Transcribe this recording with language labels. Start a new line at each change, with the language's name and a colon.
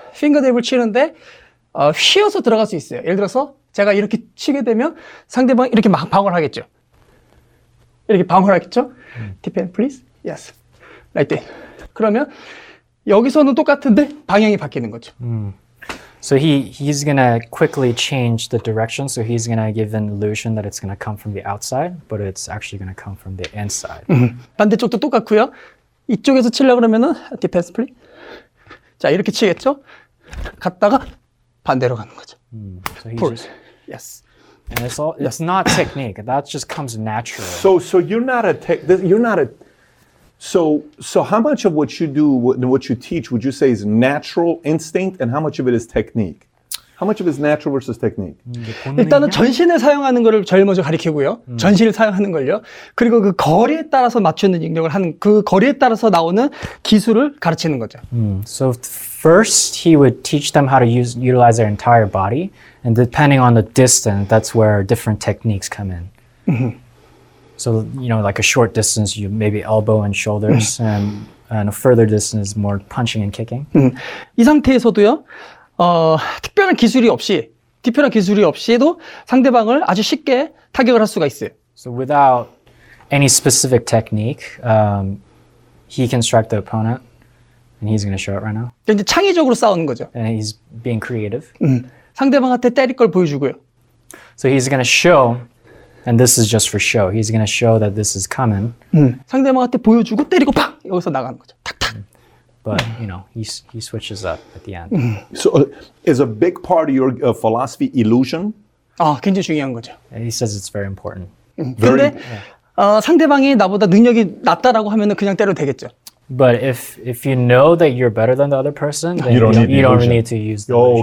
Korean: Finger jab을 치는데 휘어서 들어갈 수 있어요. 예를 들어서 제가 이렇게 치게 되면 상대방 이렇게 막 방어를 하겠죠. 이렇게 방어를 하겠죠.
English: Defend, please. Yes. Like that.
Korean: 그러면 여기서는 똑같은데 방향이 바뀌는 거죠.
English: So he's gonna quickly change the direction. So he's gonna give an illusion that it's gonna come from the outside, but it's actually gonna come from the inside.
Korean: 반대쪽도 똑같고요. 이쪽에서 치려고 그러면은
English: Defend, please.
Korean: 자 이렇게 치겠죠. 갔다가 반대로 가는 거죠.
English: So he's Yes. And it's all, it's not technique. That just comes naturally. So you're not a tech, you're not a, so how much of what you do and what you teach would you say is natural instinct and how much of it is technique? How much of it is natural versus technique?
Korean: 일단은 전신을 사용하는 것을 제일 먼저 가리키고요. 전신을 사용하는 걸요. 그리고 그 거리에 따라서 맞추는 능력을 하는 그 거리에 따라서 나오는 기술을 가르치는 거죠.
English: So first he would teach them how to utilize their entire body and depending on the distance that's where different techniques come in. So you know like a short distance you maybe elbow and shoulders and a further distance more punching and kicking.
Korean: 이 상태에서도요. 특별한 기술이 없이 특별한 기술이 없이도 상대방을 아주 쉽게 타격을 할 수가 있어요.
English: So without any specific technique, he can strike the opponent, and he's going to show it right now.
Korean: 이제 창의적으로 싸우는 거죠.
English: And he's being creative.
Korean: 상대방한테 때릴 걸 보여주고요.
English: So he's going to show, and this is just for show. He's going to show that this is coming.
Korean: 상대방한테 보여주고 때리고 팍 여기서 나가는 거죠. 탁탁.
English: But, you know, he switches up at the end. So, is a big part of your philosophy illusion?
Korean: 아, 굉장히 중요한 거죠.
English: And he says it's very important.
Korean: 근데, 상대방이 나보다 능력이 낮다라고 하면은 그냥 때려도 되겠죠.
English: But if you know that you're better than the other person, then you don't need to use the illusion.